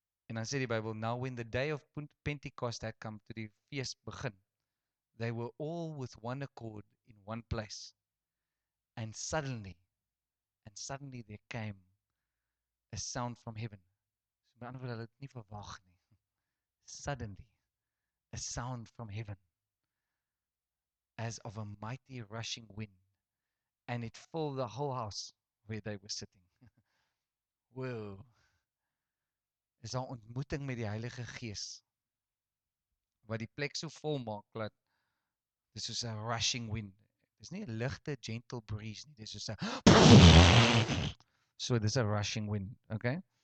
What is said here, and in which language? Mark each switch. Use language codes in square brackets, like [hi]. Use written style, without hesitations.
[af] En dan sê die Bybel, [en] "Now when the day of Pentecost had come," [af] to die fees begin, [en] "they were all with one accord in one place. And suddenly there came a sound from heaven." [af] So my ander hulle het nie verwag nie. [en] Suddenly, a sound from heaven, as of a mighty rushing wind, and it filled the whole house where they were sitting. Wow. [af] Is 'n ontmoeting met die Heilige Gees wat die plek so vol maak dat dis soos 'n [en] rushing wind. [af] Dis nie 'n ligte [en] gentle breeze [af] nie, dis soos 'n so dis 'n [en] rushing wind, [af] okay?